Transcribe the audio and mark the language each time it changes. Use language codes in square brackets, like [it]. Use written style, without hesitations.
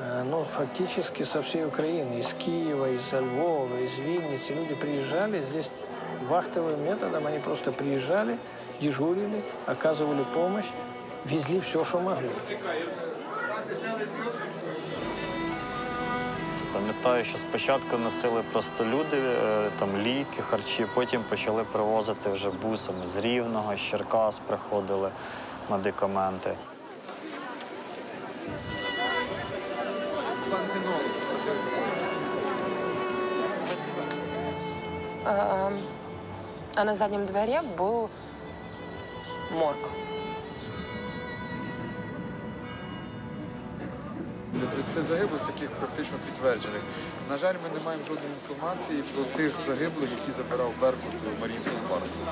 [ru] Ну, фактически со всей Украины, из Киева, из Львова, из Винницы. Люди приезжали здесь вахтовым методом, они просто приезжали, дежурили, оказывали помощь, везли все, что могли. [uk] Пам'ятаю, що спочатку носили просто люди, там ліки, харчі, потім почали привозити вже бусами з Рівного, з Черкас приходили медикаменти. [ru] А на заднем дворе был морг. [uk] Для 30 загиблих таких практично підтверджених. На жаль, ми не маємо жодної інформації про тих загиблих, які забирав Беркут у Маріїнському парку.